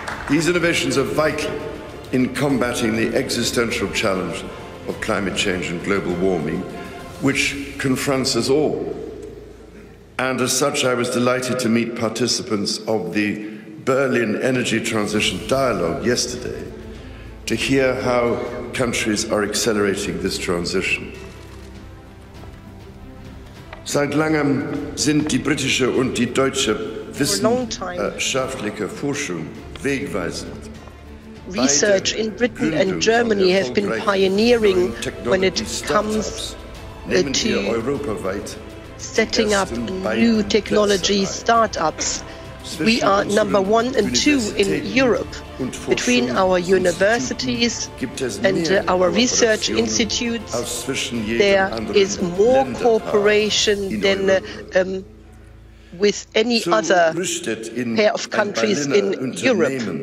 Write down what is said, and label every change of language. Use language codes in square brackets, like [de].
[en] These innovations are vital in combating the existential challenge of climate change and global warming, which confronts us all. And as such, I was delighted to meet participants of the Berlin Energy Transition Dialogue yesterday to hear how countries are accelerating this transition. [de] Seit langem sind die britische und die deutsche wissenschaftliche Forschung wegweisend. [en] Research in Britain and Germany have been pioneering when it comes to setting up new technology startups. We are number one and two in Europe. Between our universities and our research institutes, there is more cooperation than with any other pair of countries in Europe.